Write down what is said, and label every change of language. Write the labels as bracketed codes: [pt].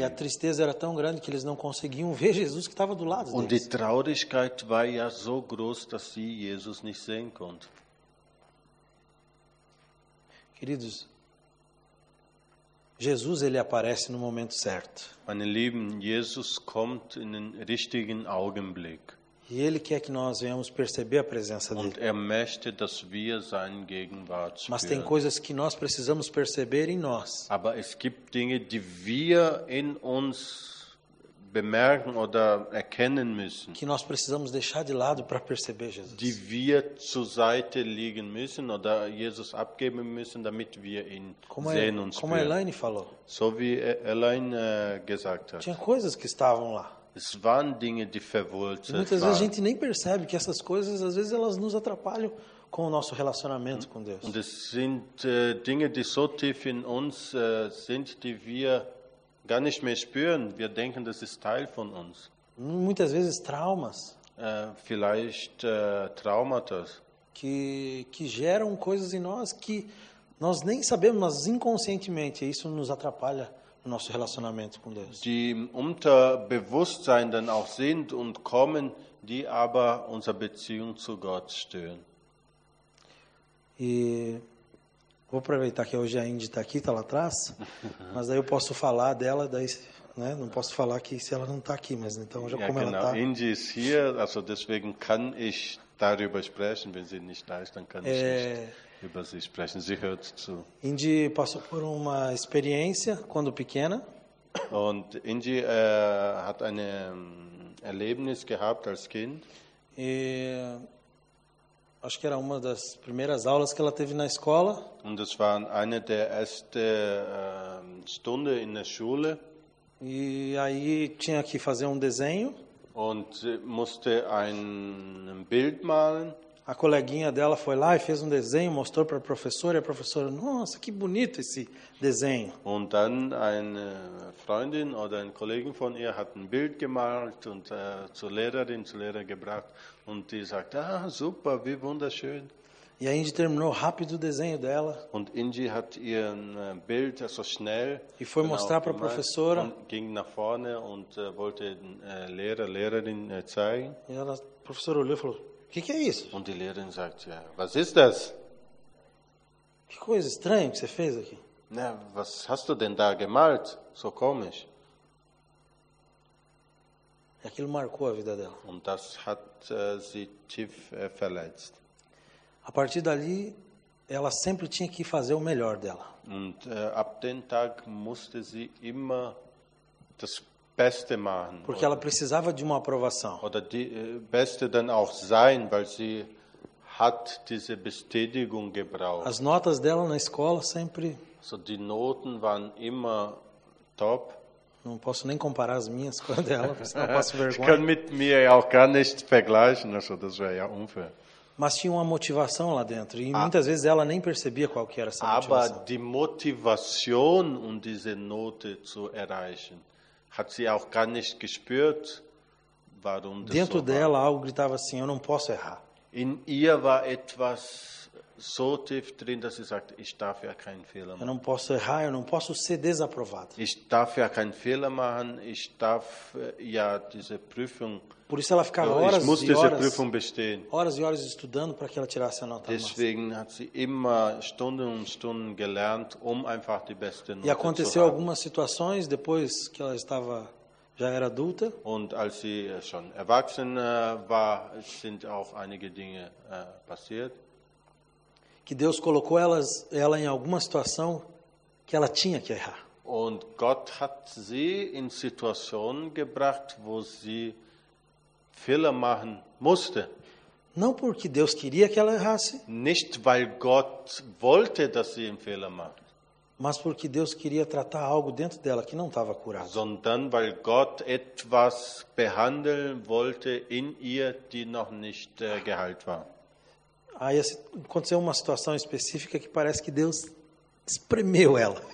[pt] E a tristeza era tão grande que eles não conseguiam ver Jesus que estava do lado deles. [de] Und die Traurigkeit war ja so groß, dass sie Jesus nicht sehen konnten. [pt] Queridos, Jesus ele aparece no momento certo. [de] Meine Lieben, Jesus kommt in den richtigen Augenblick. [pt] E ele quer que nós venhamos perceber a presença dele. [de] Und er möchte, dass wir seine Gegenwart spüren. [pt] Mas tem coisas que nós precisamos perceber em nós. [de] Aber es gibt Dinge, die wir in uns bemerken oder erkennen müssen. [pt] Que nós precisamos deixar de lado para perceber Jesus. [de] Die wir zur Seite legen müssen oder Jesus abgeben müssen, damit wir ihn [pt] como [de] sehen und spüren. [pt] Como Elaine falou. [de] So wie Elaine gesagt hat. [pt] Tinha coisas que estavam lá. [de] Es waren Dinge, die verwurzelt waren. [pt] Muitas vezes a gente nem percebe que essas coisas, às vezes elas nos atrapalham com o nosso relacionamento com Deus. [de] Und es sind Dinge, die so tief in uns sind, die wir gar nicht mehr spüren. Wir denken, das ist Teil von uns. [pt] Muitas vezes traumas. [de] Vielleicht traumatas. [pt] Que geram coisas em nós que nós nem sabemos, mas inconscientemente isso nos atrapalha no nosso relacionamento com Deus. [de] Die Unterbewusstsein dann auch sind und kommen, die aber unsere Beziehung zu Gott stören. [pt] E vou aproveitar que hoje a Indy está aqui, está lá atrás, mas aí eu posso falar dela, daí, né, não posso falar que se ela não está aqui, mas então já como ela está. A Indy está aqui, [de] also deswegen kann ich darüber sprechen, wenn sie nicht da ist, dann kann ich nicht über sie sprechen. Sie hört zu. [pt] Indy passou por uma experiência quando pequena. [de] Und Indy hat ein Erlebnis gehabt als Kind. [pt] E acho que era uma das primeiras aulas que ela teve na escola. [de] Und das war eine der ersten Stunden in der Schule. [pt] E aí tinha que fazer um desenho. [de] Und musste ein Bild malen. [pt] A coleguinha dela foi lá e fez um desenho, mostrou para a professora, e a professora, nossa, que bonito esse desenho. [de] Und dann eine Freundin oder ein Kollegen von ihr hat ein Bild gemalt und zur Lehrer gebracht und die sagt, ah, super, wie wunderschön. [pt] E a Indy terminou rápido o desenho dela. [de] Und Indy hat ihren Bild so schnell. [pt] E foi mostrar para a professora. [de] Ging nach vorne und wollte Lehrerin zeigen. [pt] E a professora olhou e falou: "Que é isso?" [de] Und die Lehrerin sagte: "Ja, was ist das?" [pt] Que coisa estranha que você fez aqui. [de] Na, was hast du denn da gemalt? So komisch. [pt] E aquilo marcou a vida dela. [de] Und das hat sie tief verletzt. [pt] A partir dali, ela sempre tinha que fazer o melhor dela. [de] Und ab dem Tag musste sie immer das Beste machen. [pt] Porque ela precisava de uma aprovação. [de] Oder die Beste dann auch sein, weil sie hat diese Bestätigung gebraucht. [pt] As notas dela na escola sempre. [de] So die Noten waren immer top. [pt] Não posso nem comparar as minhas com a dela, senão eu passo vergonha. [de] Ich kann mit mir auch gar nicht vergleichen, also das wäre ja unfair. [pt] Mas tinha uma motivação lá dentro e muitas vezes ela nem percebia qual que era essa motivação. [de] Aber die Motivation, um diese Note zu erreichen, hat sie auch gar nicht gespürt, warum das [pt] dentro [de] so [pt] dela [de] war. [pt] Algo gritava assim, eu não posso errar. [de] In ihr war etwas so tief drin, dass sie sagte, ich darf ja keinen Fehler machen. [pt] Eu não posso errar, eu não posso ser desaprovado. [de] Ich darf ja keinen Fehler machen, ich darf ja diese Prüfung. [pt] Por isso ela ficava horas e horas, horas e horas estudando para que ela tirasse a nota máxima. [de] Deswegen hat sie immer Stunden und Stunden gelernt, einfach die beste Note. [pt] E aconteceu algumas situações depois que ela estava já era adulta. [de] Und als sie schon erwachsen war, sind auch einige Dinge passiert. [pt] Que Deus colocou ela em alguma situação que ela tinha que errar. [de] Und Gott hat sie in Situationen gebracht, wo sie Fehler machen musste. [pt] Não porque Deus queria que ela errasse. [de] Nicht weil Gott wollte, dass sie einen Fehler macht. [pt] Mas porque Deus queria tratar algo dentro dela que não estava curado. [de] Sondern weil Gott etwas behandeln wollte in ihr, die noch nicht geheilt war. [pt] Aí aconteceu uma situação específica que parece que Deus espremeu ela.